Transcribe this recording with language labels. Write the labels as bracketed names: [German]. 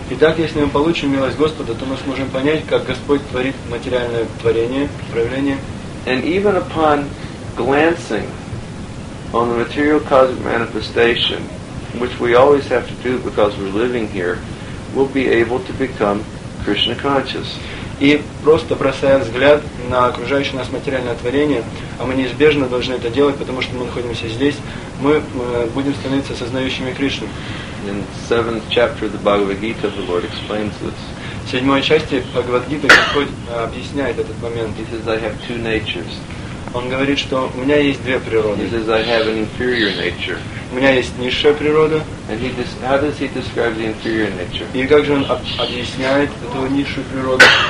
[Russian] Итак, если мы получим милость Господа, то мы сможем понять, как Господь творит материальное творение, проявление. [English] And even upon glancing on the material cosmic manifestation, which we always have to do because we're living here, we'll be able to become Krishna conscious. [Russian] и просто бросаем взгляд на окружающее нас материальное творение, а мы неизбежно должны это делать, потому что мы находимся здесь, мы будем становиться сознающими Кришну. [English] In seventh chapter of the Bhagavad Gita, the Lord explains this. [Russian] В седьмой части Бхагавад-гиты Господь объясняет этот момент. [English] He says, I have two natures. [Russian] Он говорит, что у меня есть две природы. [English] He says, I have an inferior nature. [Russian] У меня есть низшая природа. [English] And how does he describe the inferior nature? [Russian] И как же он объясняет эту низшую природу?